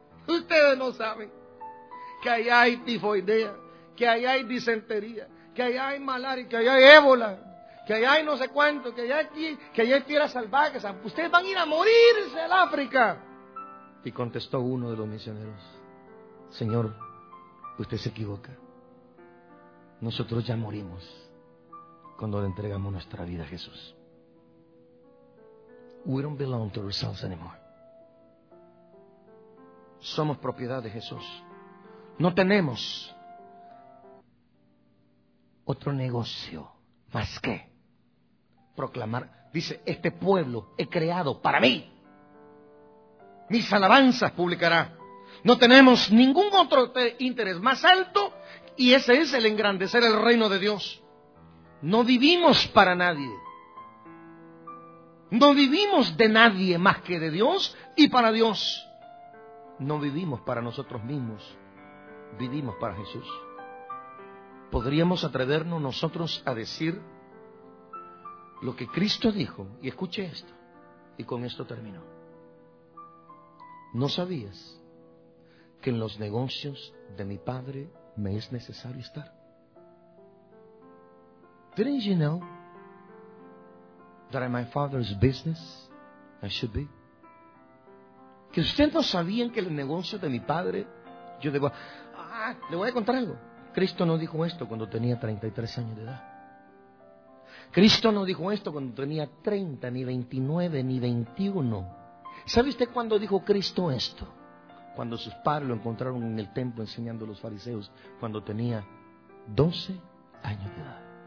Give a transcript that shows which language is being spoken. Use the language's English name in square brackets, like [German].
[Spanish] Ustedes no saben que allá hay tifoidea, que allá hay disentería, que allá hay malaria, que allá hay ébola, que allá hay no sé cuánto, que allá aquí, que allá hay fieras salvajes. Ustedes van a ir a morirse al África. Y contestó uno de los misioneros, Señor, Usted se equivoca. Nosotros ya morimos cuando le entregamos nuestra vida a Jesús. [English] We don't belong to ourselves anymore. [Spanish] Somos propiedad de Jesús. No tenemos otro negocio más que proclamar. Dice, este pueblo he creado para mí. Mis alabanzas publicará. No tenemos ningún otro interés más alto, y ese es el engrandecer el reino de Dios. No vivimos para nadie. No vivimos de nadie más que de Dios y para Dios. No vivimos para nosotros mismos, vivimos para Jesús. ¿Podríamos atrevernos nosotros a decir lo que Cristo dijo? Y escuche esto, y con esto termino. ¿No sabías que en los negocios de mi Padre me es necesario estar? [English] Didn't you know that in my Father's business I should be? [Spanish] Que ustedes no sabían que el negocio de mi Padre yo debo... Ah, le voy a contar algo. Cristo no dijo esto cuando tenía 33 años de edad. Cristo no dijo esto cuando tenía 30, ni 29, ni 21. ¿Sabe usted cuándo dijo Cristo esto? Cuando sus padres lo encontraron en el templo enseñando a los fariseos, cuando tenía 12 años de edad.